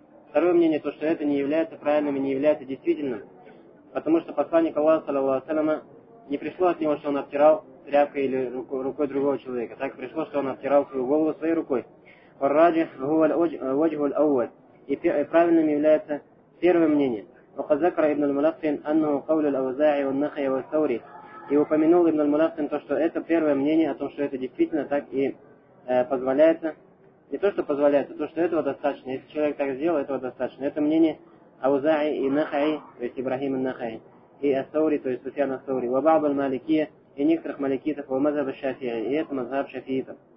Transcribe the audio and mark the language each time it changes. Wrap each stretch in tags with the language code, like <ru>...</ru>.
<ru>Второе мнение, то, что это не является правильным и не является действительным, потому что посланник Аллаха, саллаллаху алейхи ва саллям, не пришло от него, что он обтирал тряпкой или рукой другого человека. Так пришло, что он обтирал свою голову своей рукой.</ru> <ar>Фарраджху ваджху ал-ауваль.</ar> <ru>И правильным является первое мнение.</ru> <ar>وقذكر ابن الملقن أنه قول الأوزاعي والنخعي والثوري.</ar> <ru>И упомянул ابن الملقن то, что это первое мнение о том, что это действительно так и позволяется. Не то, что позволяется, то, что этого достаточно. Если человек так сделал, этого достаточно. Это мнение Аузаи и Нахаи, то есть Ибрахим ан-Нахаи, и ас-Саури, то есть Суфьян ас-Саури,</ru> <ar>ва баъд аль-Маликия,</ar> <ru>и некоторых маликитов,</ru> <ar>ва мазхаб аш-Шафии,</ar> <ru>и это мазхаб шафиитов.</ru>